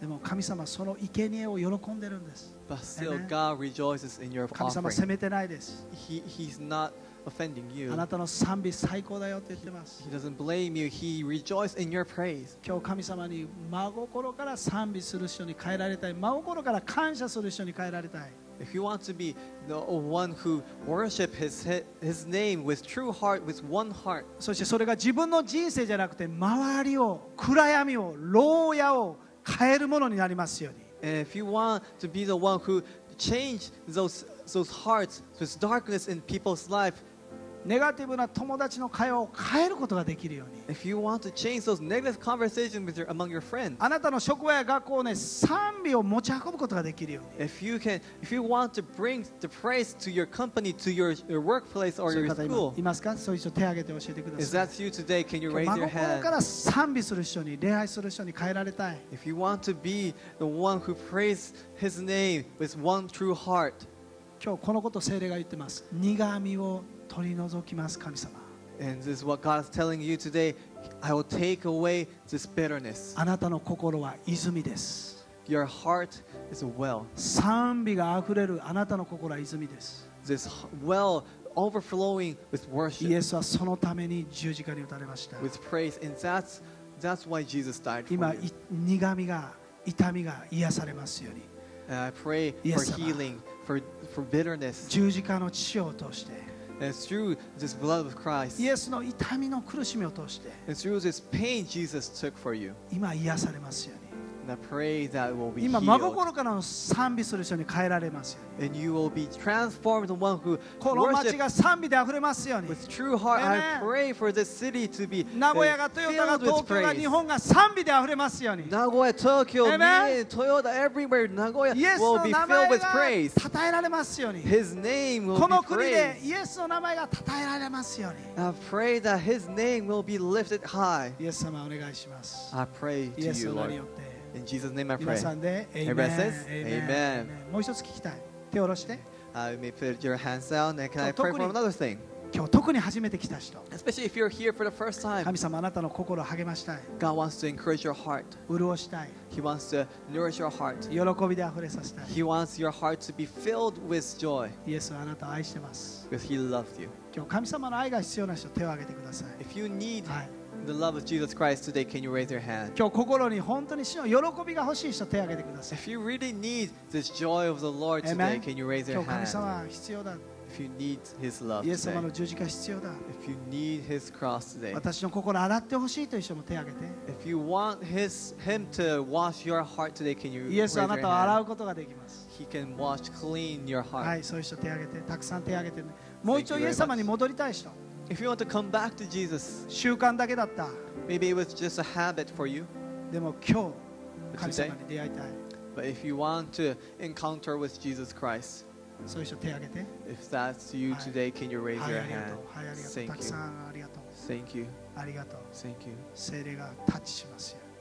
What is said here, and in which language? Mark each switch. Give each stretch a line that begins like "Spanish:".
Japanese: でも神様その生贄を喜んでるんです。
English: But still God rejoices in your offering.
Japanese: 神様責めてないです。
English: He's not offending you.
Japanese: あなたの賛美最高だよって言ってます。
English: He doesn't blame you. He rejoices in your praise.
Japanese: 今日神様に真心から賛美する人に変えられたい。真心から感謝する人に変えられたい。
English: If you want to be the one who worship his name with true heart, with one heart.
Japanese: そしてそれが自分の人生じゃなくて周りを、暗闇を、牢屋を変えるものになりますように。
English: And if you want to be the one who change those hearts, those darkness in people's life,
Japanese: ネガティブな友達の会話を変えることができるように。
English: If you want to change those negative conversations with among your friends,
Japanese: あなたの職場や学校をね、賛美を持ち運ぶことができるように。
English: If you want to bring the praise to your company, to your workplace or your school,
Japanese: いますか？そういう人手を挙げて教えてください。
English: Is that you today? Can you raise your hand?
Japanese: 真心から賛美する人に、礼拝する人に変えられたい。
English: If you want to be the one who praises His name with one true heart,
Japanese: 今日このこと聖霊が言ってます。苦味を取り除きます神様。
English: And this is what God is telling you today. I will take away this bitterness.
Japanese: あなたの心は泉です。
English: Your heart is a well.
Japanese: 賛美があふれるあなたの心は泉です。
English: This well overflowing with worship.
Japanese: イエスはそのために十字架に打たれました。
English: With praise, and that's why Jesus died for you.
Japanese: 今苦味が痛みが癒されますように。
English: And I pray for healing for bitterness.
Japanese: 十字架の血を通して。
English: And through this blood of Christ,
Japanese: イエスの痛みの苦しみを通して、
English: and through this pain Jesus took for you,
Japanese: 今癒されますように。
English: And I pray that it will be
Japanese: 今真心からの賛美する人に変えられますように。
English: And you will be transformed the one who
Japanese: この町が賛美であふれますように。
English: With true heart, I pray for this city to be
Japanese: 名古屋が、豊田が、東京が、日本が賛美であふれますように。
English: 名古屋、東京、トヨタ、everywhere, 名古屋 will be filled with praise.
Japanese: 称えられますように。
English: His name will be praised.
Japanese: この国でイエスの名前が称えられますように。
English: I pray that His name will be lifted high.
Japanese: イエス様お願いします。
English: I pray to you, Lord. In Jesus' name I pray.
Japanese: 皆さんで、
English: Everybody says, Amen.
Japanese: Amen. もう一つ聞きたい。手を下ろして。
English: You may put your hands down and can I pray for another thing?
Japanese: 今日特に初めて来た人。
English: Especially if you're here for the first time.
Japanese: 神様あなたの心を励ましたい。
English: God wants to encourage your heart.
Japanese: 潤したい。
English: He wants to nourish your heart.
Japanese: 喜びであふれさせたい。
English: He wants your heart to be filled with joy.
Japanese: イエスはあなたを愛してます。
English: Because He loves you.
Japanese: 今日神様の愛が必要な人、手を挙げてください。
English: If you need the love of Jesus Christ today, can you raise your hand?
Japanese: 今日心に本当に主の喜びが欲しい人手を挙げてください。
English: If you really need this joy of the Lord today, Amen. Can you raise your hand?
Japanese: 今日神様は必要だ。
English: If you need His love today.
Japanese: イエス様の十字架必要だ。
English: If you need His cross today.
Japanese: 私の心洗ってほしいという人も手を挙げて。
English: If you want Him to wash your heart today, can you raise your hand?
Japanese: イエスはあなたを洗うことができます。
English: He can wash clean your heart.
Japanese: はい、そういう人手を挙げて、たくさん手を挙げて、ね、もう一度イエス様に戻りたい人。
English: If you want to come back to Jesus,
Japanese: 習慣だけだった。
English: Maybe it was just a habit for you.
Japanese: でも今日、神様に出会いたい。
English: But if you want to encounter with Jesus Christ,
Japanese: そういう人手を挙げて。
English: If that's you today, can you raise your hand?
Japanese: はい、ありがとう。
English: Thank you.
Japanese: たくさんありがとう。
English: Thank you.
Japanese: ありがとう。
English: Thank you.
Japanese: 聖霊がタッチしますよ。